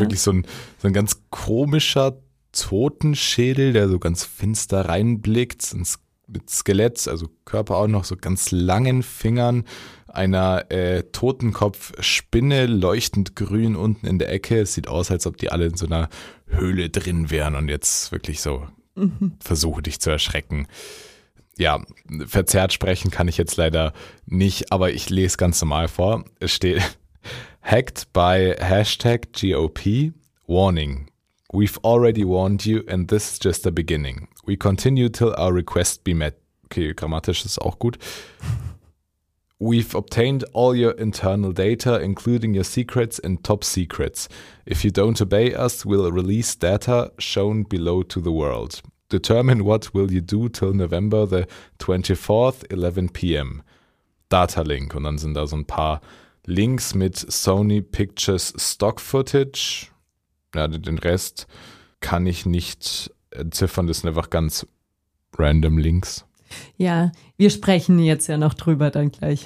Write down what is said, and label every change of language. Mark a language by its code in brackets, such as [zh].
[de] wirklich so ein ganz komischer Totenschädel, der so ganz finster reinblickt ins mit Skelett, also Körper auch noch, so ganz langen Fingern, einer Totenkopfspinne, leuchtend grün unten in der Ecke. Es sieht aus, als ob die alle in so einer Höhle drin wären und jetzt wirklich so versuche, dich zu erschrecken. Ja, verzerrt sprechen kann ich jetzt leider nicht, aber ich lese ganz normal vor. Es steht, [en] hacked by hashtag GOP, warning. We've already warned you and this is just the beginning. We continue till our request be met. [de] Okay, grammatisch ist auch gut. [en] We've obtained all your internal data, including your secrets and top secrets. If you don't obey us, we'll release data shown below to the world. Determine what will you do till November the 24th, 11 p.m. Data link. [de] Und dann sind da so ein paar Links mit Sony Pictures Stock Footage. Ja, den Rest kann ich nicht entziffern, das sind einfach ganz random Links. Ja, wir sprechen jetzt ja noch drüber dann gleich.